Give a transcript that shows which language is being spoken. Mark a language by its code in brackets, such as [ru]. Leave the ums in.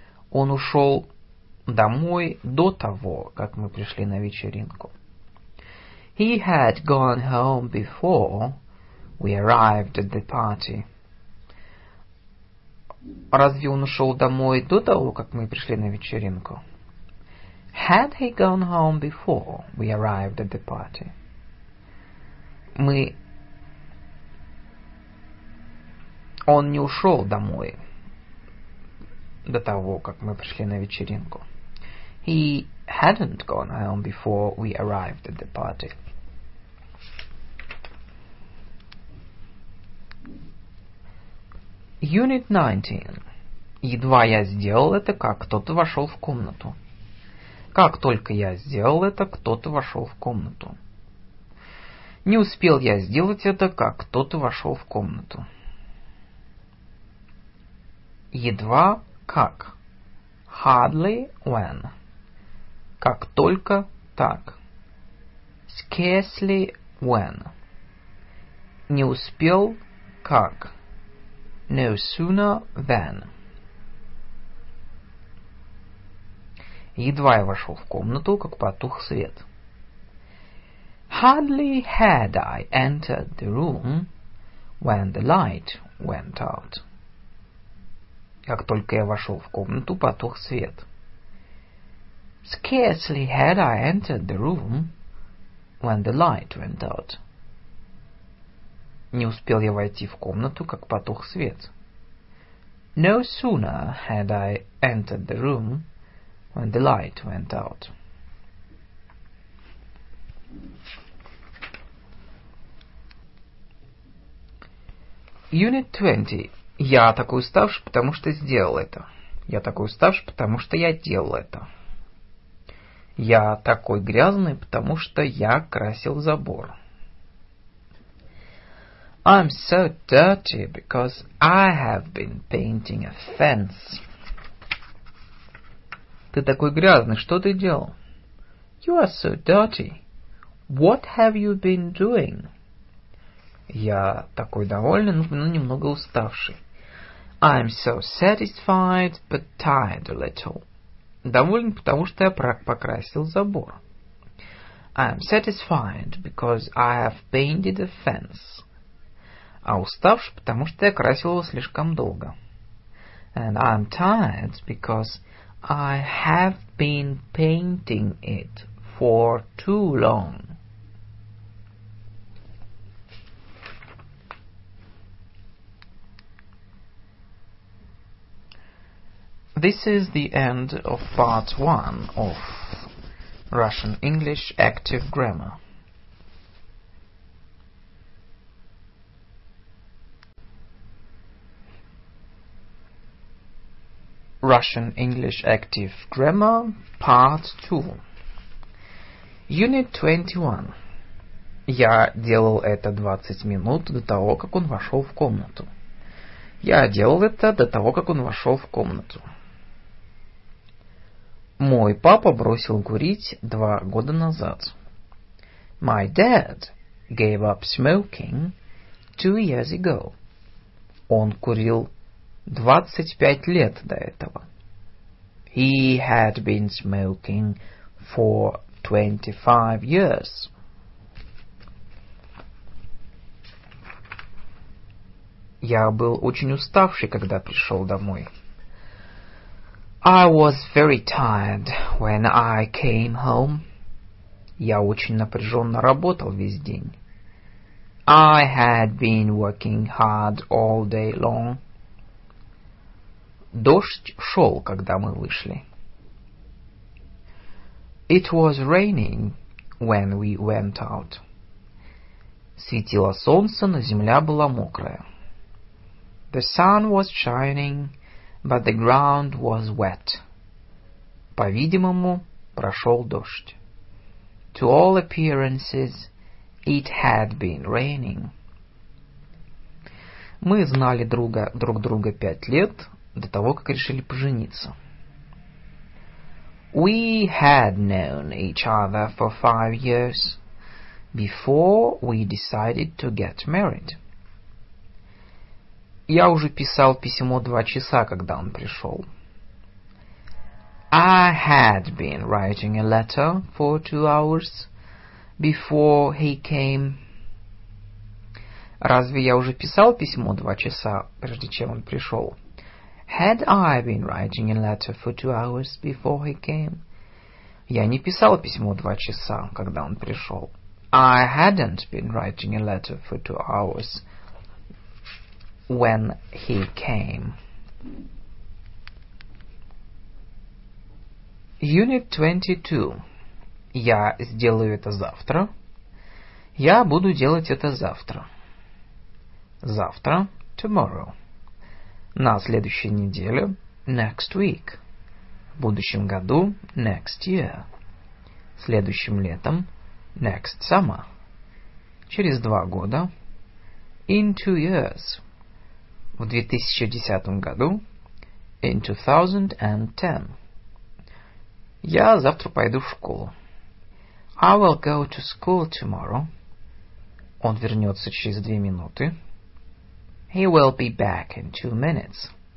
[ru] Он ушел домой до того, как мы пришли на вечеринку. [en] He had gone home before we arrived at the party. [ru] Разве он ушел домой до того, как мы пришли на вечеринку? [en] Had he gone home before we arrived at the party? [ru] Мы... Он не ушел домой до того, как мы пришли на вечеринку. [en] He hadn't gone home before we arrived at the party. Unit 19. [ru] Едва я сделал это, как кто-то вошел в комнату. Как только я сделал это, кто-то вошел в комнату. Не успел я сделать это, как кто-то вошел в комнату. Едва как. [en] Hardly when. [ru] Как только так. [en] Scarcely when. [ru] Не успел как. [en] No sooner than. [ru] Едва я вошел в комнату, как потух свет. [en] Hardly had I entered the room when the light went out. [ru] Как только я вошел в комнату, потух свет. [en] Scarcely had I entered the room when the light went out. [ru] Не успел я войти в комнату, как потух свет. [en] No sooner had I entered the room when the light went out. Unit 20. [ru] Я такой уставший, потому что сделал это. Я такой уставший, потому что я делал это. Я такой грязный, потому что я красил забор. [en] I'm so dirty because I have been painting a fence. [ru] Ты такой грязный, что ты делал? [en] You are so dirty. What have you been doing? [ru] Я такой довольный, но немного уставший. [en] I'm so satisfied, but tired a little. [ru] Доволен, потому что я покрасил забор. [en] I'm satisfied because I have painted a fence [ru] а уставший, потому что я красил его слишком долго. [en] And I'm tired because I have been painting it for too long. This is the end of part one of Russian English Active Grammar. Russian English Active Grammar, Part 2. Unit 21. [ru] Я делал это 20 минут до того, как он вошел в комнату. Я делал это до того, как он вошел в комнату. Мой папа бросил курить два года назад. [en] My dad gave up smoking two years ago. [ru] Он курил 25 лет до этого. [en] He had been smoking for 25 years. [ru] Я был очень уставший, когда пришел домой. [en] I was very tired when I came home. [ru] Я очень напряженно работал весь день. [en] I had been working hard all day long. [ru] Дождь шел, когда мы вышли. [en] It was raining when we went out. [ru] Светило солнце, но земля была мокрая. [en] The sun was shining, but the ground was wet. [ru] По-видимому, прошел дождь. [en] To all appearances, it had been raining. [ru] Мы знали друга, друг друга пять лет до того, как решили пожениться. [en] We had known each other for five years before we decided to get married. [ru] Я уже писал письмо два часа, когда он пришел. [en] I had been writing a letter for two hours before he came. [ru] Разве я уже писал письмо два часа, прежде чем он пришел? [en] Had I been writing a letter for two hours before he came? [ru] Я не писал письмо два часа, когда он пришел. [en] I hadn't been writing a letter for two hours when he came. [ru] Unit 22. Я сделаю это завтра. Я буду делать это завтра. Завтра, [en] tomorrow. [ru] На следующей неделе, [en] next week. [ru] В будущем году, [en] next year. [ru] Следующим летом, [en] next summer. [ru] Через два года, [en] in two years. [ru] В 2010 году, [en] in [ru] 2010. Я завтра пойду в школу. [en] I will go to school tomorrow. [ru] Он вернется через две минуты. [en] He will be back in two minutes.